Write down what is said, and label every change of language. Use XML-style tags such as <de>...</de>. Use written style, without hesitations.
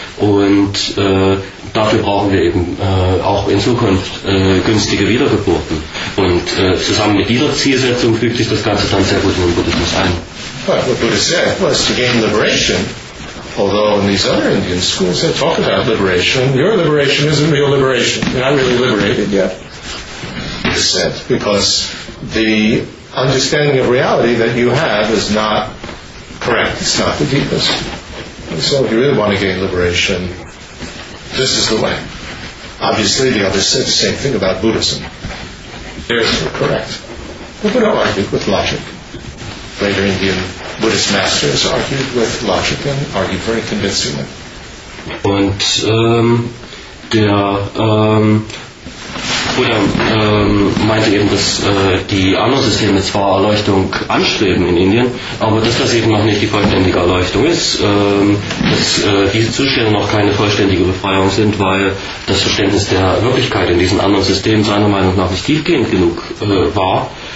<de>Und dafür brauchen wir eben auch in Zukunft günstige Wiedergeburten. Und zusammen mit dieser Zielsetzung fügt sich das Ganze dann sehr gut in den Buddhismus ein.</de> <en>Well, what Buddha said was to gain liberation, although in these other Indian schools they talk about liberation. Your liberation isn't real liberation. You're not really liberated yet, Buddha said, because the understanding of reality that you have is not correct. It's not the deepest. And so if you really want to gain liberation, this is the way. Obviously, the others said the same thing about Buddhism. They're correct. But Buddha argued with logic. Later Indian Buddhist masters argued with logic and argued very convincingly.</en> <de>Und der Buddha meinte eben, dass die anderen Systeme zwar Erleuchtung anstreben in Indien, aber dass das eben noch nicht die vollständige Erleuchtung ist, dass diese Zustände noch keine vollständige Befreiung sind, weil das Verständnis der Wirklichkeit in diesen anderen Systemen seiner Meinung nach nicht tiefgehend genug war.</de>